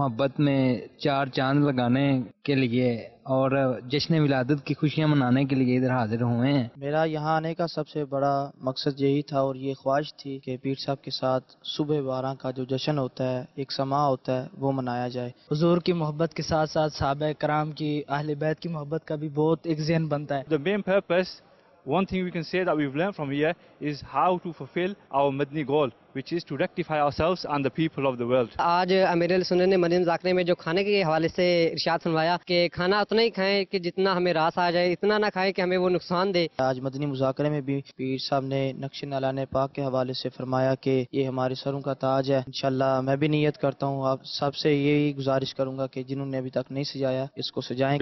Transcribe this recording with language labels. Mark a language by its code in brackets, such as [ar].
[ur] محبت میں چار چاند لگانے کے لیے اور جشن ولادت کی خوشیاں منانے کے لیے ادھر حاضر ہوئے ہیں۔ میرا یہاں آنے کا سب سے بڑا مقصد یہی تھا اور یہ خواہش تھی کہ پیر صاحب کے ساتھ صبح 12 کا جو جشن ہوتا ہے، ایک سماع ہوتا ہے، وہ منایا جائے۔ حضور کی محبت کے ساتھ ساتھ صحابہ کرام کی، اہل بیت کی محبت کا بھی بہت ایک ذہن بنتا ہے۔ [en] The main purpose, one thing we can say that we've learned from here is how to fulfill our Madni goal, which is to rectify ourselves and the people of the world. [ur] آج امیر السنہ نے مدینہ مذاکرے میں جو کھانے کے حوالے سے ارشاد فرمایا کہ کھانا اتنا ہی کھائیں کہ جتنا ہمیں راس آ جائے، اتنا نہ کھائیں کہ ہمیں وہ نقصان دے۔ آج مدنی مذاکرے میں بھی پیر صاحب نے نقش نالان پاک کے حوالے سے فرمایا کہ یہ ہمارے سروں کا تاج ہے۔ انشاءاللہ میں بھی نیت کرتا ہوں، آپ سب سے یہی گزارش کروں گا کہ جنہوں نے ابھی تک نہیں سجایا اس کو سجائیں۔